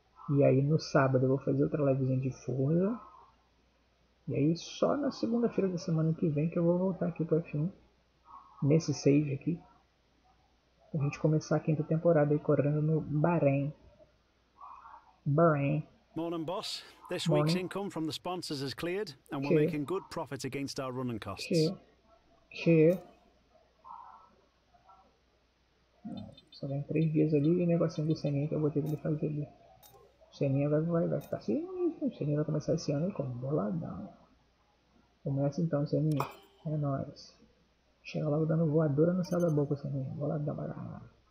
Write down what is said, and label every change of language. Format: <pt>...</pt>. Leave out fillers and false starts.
<pt>E aí no sábado eu vou fazer outra livezinha de Forza. E aí só na segunda-feira da semana que vem que eu vou voltar aqui pro F1. Nesse save aqui. Pra gente começar a quinta temporada aí correndo no Bahrein. Bahrein.</pt> <en>Morning, boss. This Morning. Week's income from the sponsors has cleared, and we're making good profit against our running costs. Clear.</en> <pt>Só vem 3 dias ali e o negocinho do Seninha que eu vou ter que fazer ali. O Seninha vai ficar assim, o Seninha vai começar esse ano com boladão. Começa então, Seninha. É nóis. Chega logo dando voadora no céu da boca, Seninha. Boladão, vai lá.</pt>